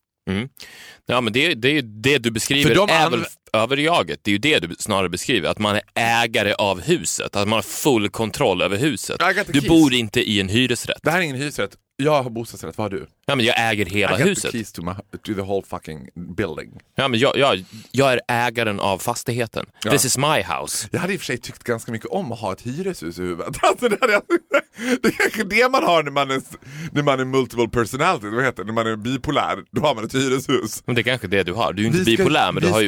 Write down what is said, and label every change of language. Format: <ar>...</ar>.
<sv>Mm. Ja, men det är ju det du beskriver de är väl över jaget. Det är ju det du snarare beskriver, att man är ägare av huset, att man har full kontroll över huset. Du bor inte i en hyresrätt. Det här är ingen hyresrätt. Jag har bostadsrätt, vad har du? Ja, men jag äger hela huset.</sv> <en>I got the keys to the whole fucking building.</en> <sv>Ja, men jag är ägaren av fastigheten. Ja.</sv> <en>This is my house.</en> <sv>Jag hade i och för sig tyckt ganska mycket om att ha ett hyreshus i huvudet. Alltså, det är kanske det man har när man är multiple personality. Vad heter det? När man är bipolär, då har man ett hyreshus. Men det är kanske det du har. Du är inte bipolär, men du har ju...</sv>